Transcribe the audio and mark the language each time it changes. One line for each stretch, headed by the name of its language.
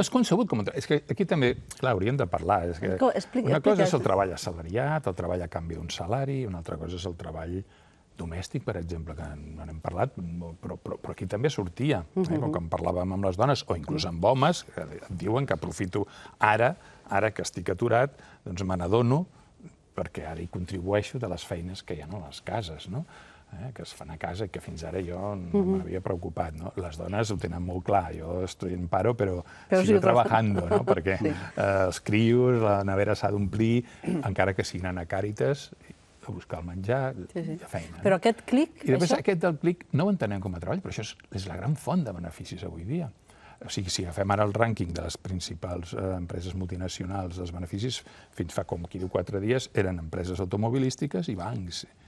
Catalan: No és concebut com un treball. És que aquí també, clar, hauríem de parlar. És que una cosa és el treball assalariat, el treball a canvi d'un salari, una altra cosa és el treball domèstic, per exemple, que no n'hem parlat, però aquí també sortia, quan parlàvem amb les dones, o inclús amb homes, que diuen que aprofito ara que estic aturat, doncs me n'adono, perquè ara hi contribueixo de les feines que hi ha a les cases, no? Que es fan a casa, que fins ara jo no m'havia preocupat. No? Les dones ho tenen molt clar, jo
Spanish: estoy en paro, pero sigo trabajando,
Catalan: no? Perquè els crios, la nevera s'ha d'omplir, encara que siguin anar a Càritas, a buscar el menjar, la feina. Però aquest clic... I després aquest del clic no ho entenem com a treball, però això és la gran font de beneficis avui dia. O sigui, si agafem ara el rànquing de les principals empreses multinacionals dels beneficis, fins fa com aquí 4 dies eren empreses automobilístiques i bancs.